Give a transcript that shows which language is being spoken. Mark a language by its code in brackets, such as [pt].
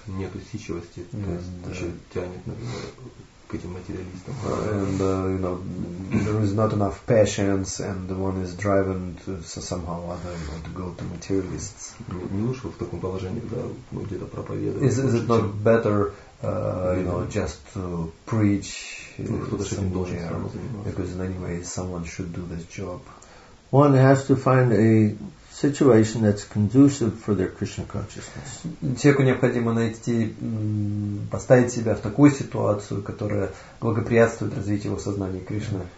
[ru] Нет усидчивости, то есть еще тянет, например, к этим материалистам. [en] There is not enough patience, and one is driven to somehow other, you know, to go to materialists. [ru] Не лучше в таком положении, да, где-то проповедовать. [en] Is it not better, just to preach? Because in any way, someone should do this job. One has to find a situation that's conducive for their Krishna consciousness. [ru] Человеку необходимо найти, поставить себя в такую ситуацию, которая благоприятствует развитию его сознания Кришны.